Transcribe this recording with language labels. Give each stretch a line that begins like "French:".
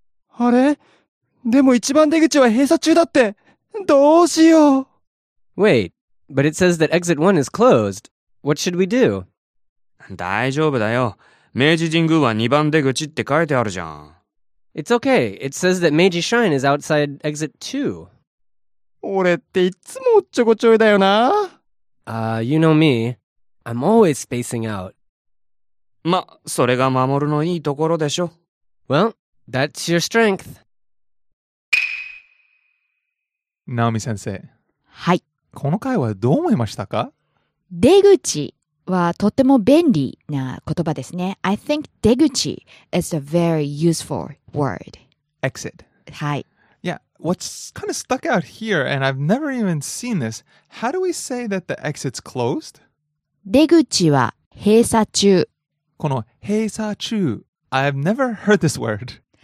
Japanese: あれ？でも一番出口は閉鎖中だって。どうしよう。Wait,
English: but it says that exit 1 is closed. What should we do?
Japanese: 大丈夫だよ。明治神宮は2番出口って書いてあるじゃん。It's
English: okay. It says that Meiji Shrine is outside exit 2.
Japanese: 俺っていつもおっちょこちょいだよな。
English: You know me. I'm always spacing out.
Japanese: ま、それが守のいいところでしょ。
English: Well, that's your strength.
Japanese: Naomi 先生。はい。この回はどう思いましたか？出口はとても便利な言葉ですね。
English: I think 出口 is a very useful word. Exit.
Japanese: はい。
English: What's kind of stuck out here, and I've never even seen this, how do we say that the exit's closed?
Japanese: 出口は閉鎖中。この閉鎖中、
English: I've never heard this word.